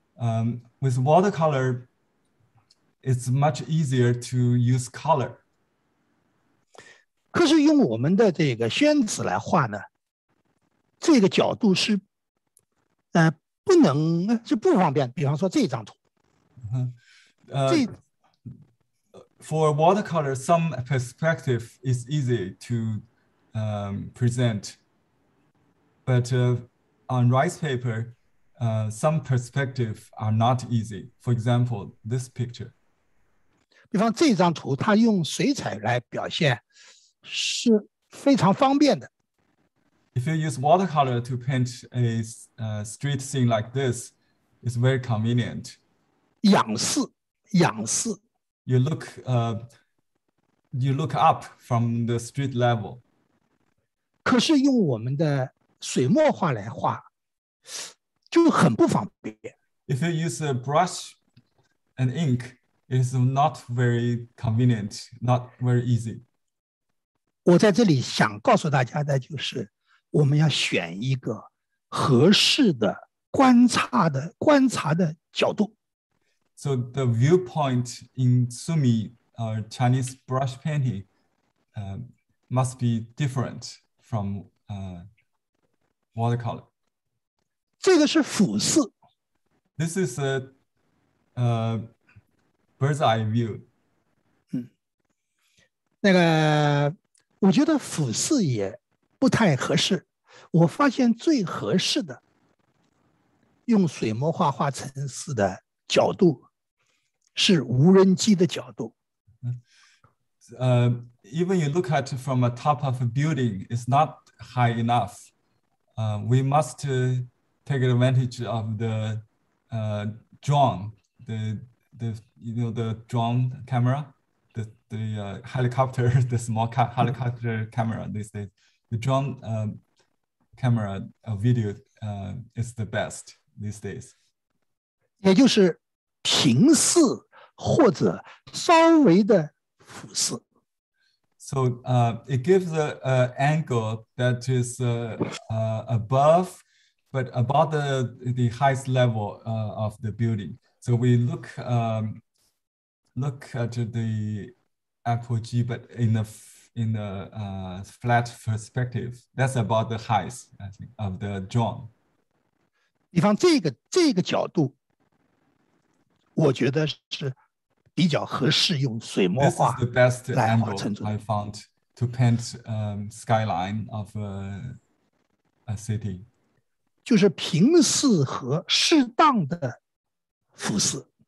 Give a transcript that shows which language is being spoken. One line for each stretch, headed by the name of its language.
English: With watercolor, it's much easier to use color.
Chinese: 可是用我们的这个宣纸来画呢，这个角度是不能，是不方便，比方说这张图。
English: For watercolor, some perspective is easy to present. But on rice paper, some perspective are not easy. For example, this picture.
Chinese: 比方这张图它用水彩来表现是非常方便的。
English: If you use watercolor to paint a street scene like this, it's very convenient.
Chinese: 仰视，仰视。
English: You look up from the street level.
Chinese: 可是用我们的水墨画来画，就很不方便。
English: If you use a brush and ink, it's not very convenient, not very easy.
Chinese: 我在这里想告诉大家的就是，我们要选一个合适的观察的角度。
English: So the viewpoint in Sumi, Chinese brush painting, must be different from watercolor.
Chinese: 这个是俯视。
English: This is a bird's eye view.
Chinese: 那个，我觉得俯视也不太合适。我发现最合适的用水墨画画城市的角度是无人机的角度。
English: Even you look at from a top of a building, it's not high enough. We must take advantage of the drone, the drone camera, a video is the best these days.
Chinese: 也就是平视或者稍微的俯视。
English: So it gives an angle that is above, but about the highest level of the building. So we look at the apogee, but in the flat perspective, that's about the height, I think, of the drone.
Chinese: 比方这个角度，我觉得是比较合适用水墨画来画城
English: This is the best angle I found to paint skyline of a city.
Chinese: 就是平视和适当的俯视。